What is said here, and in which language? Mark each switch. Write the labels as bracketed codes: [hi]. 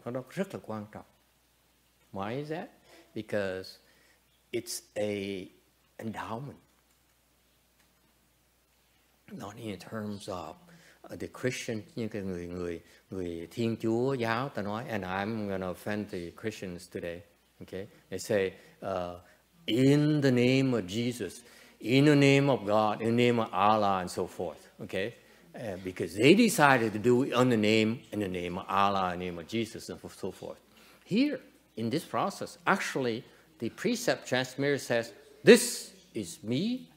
[vi] Nó rất là quan trọng. [en] Why is that? Because it's a endowment. Not in terms of the Christian, [vi] những cái người người người Thiên Chúa giáo ta nói, [en] and I'm gonna offend the Christians today. Okay, they say, in the name of Jesus, in the name of God, in the name of Allah, and so forth. Okay, because they decided to do it in the name of Allah, in the name of Jesus, and so forth. Here in this process, actually, the precept transmitter says, "This is me.